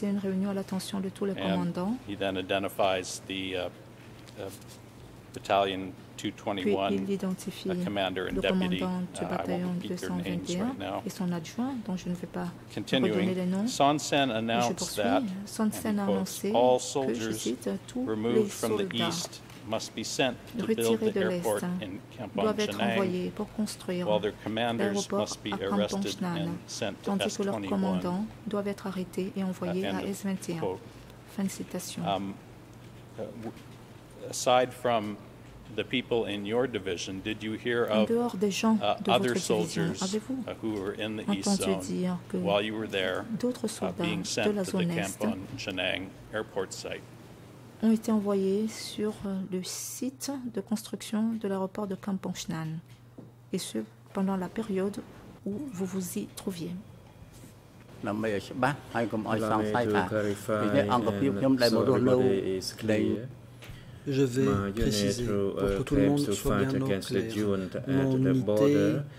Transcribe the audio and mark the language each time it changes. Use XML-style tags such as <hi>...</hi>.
<fr>Et a une réunion à l'attention de tous les commandants.</fr> <en>He then identifies the Battalion 221, the commander and deputy.</en> <fr>Et son adjoint, dont je ne vais pas</fr> <en>Continuing,</en> <fr>redonner les noms.</fr> <en>Son Sen announced that all soldiers removed from the east must be sent to build the airport in Kampong Chenang, while their commanders must be arrested and sent to S-21.</en> <fr>Tandis que leurs commandants doivent être arrêtés et envoyés à S-21. Fin de citation.</fr> <en>Aside from the people in your division, did you hear of other soldiers who were in the east zone while you were there being sent to the Kampong Chenang airport site?</en> <fr>Ont été envoyés sur le site de construction de l'aéroport de Kampong Chenang, et ce pendant la période où vous vous y trouviez. Je vais préciser pour que tout le monde soit bien au clair. Mon unité</fr>